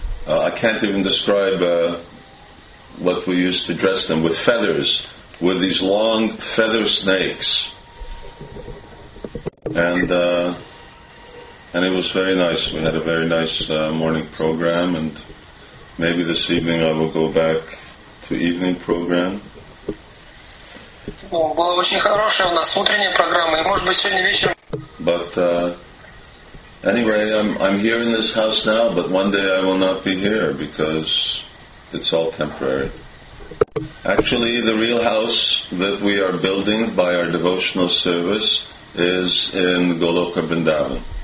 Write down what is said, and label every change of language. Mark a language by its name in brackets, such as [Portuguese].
[English] I can't even describe what we used to dress them with, feathers, with these long feather snakes. And it was very nice. We had a very nice morning program, and maybe this evening I will go back to evening program. [Russian] Была очень хорошая у нас утренняя программа, и может быть сегодня вечером. [English] But anyway, I'm here in this house now, but one day I will not be here because it's all temporary. Actually, the real house that we are building by our devotional service is in Goloka Vrindavan.